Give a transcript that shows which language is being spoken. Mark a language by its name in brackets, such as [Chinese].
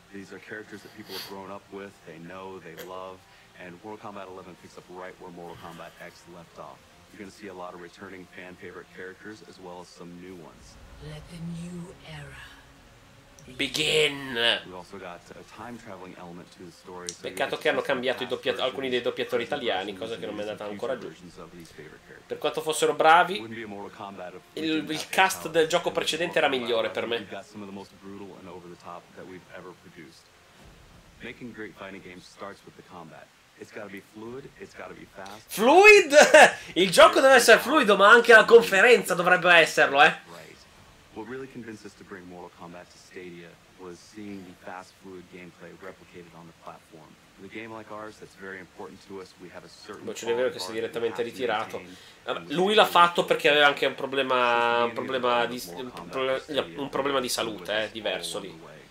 [English] These are characters that people have grown up with, they know, they love, and Mortal Kombat 11 picks up right where Mortal Kombat X left off. You're going to see a lot of returning fan favorite characters as well as some new ones. Let the new era begin. We also got a time traveling element to the story. [Italian] So peccato che hanno cambiato alcuni dei doppiatori italiani, cosa che non mi è andata ancora giù. Per quanto fossero bravi, il cast del gioco precedente era migliore per me. [English] Making great fighting games starts with the combat. It's gotta be fluid, it's gotta be fast. Fluid? [Italian] Il gioco deve essere fluido, ma anche la conferenza dovrebbe esserlo, eh? [English] What really convinced us to bring Mortal Kombat to Stadia was seeing the fast fluid gameplay replicated on the platform. with a game like ours that's very important to us, we have a certain. [Italian] Non c'è vero che si è direttamente ritirato. Lui l'ha fatto perché aveva anche un problema di salute, diverso lì.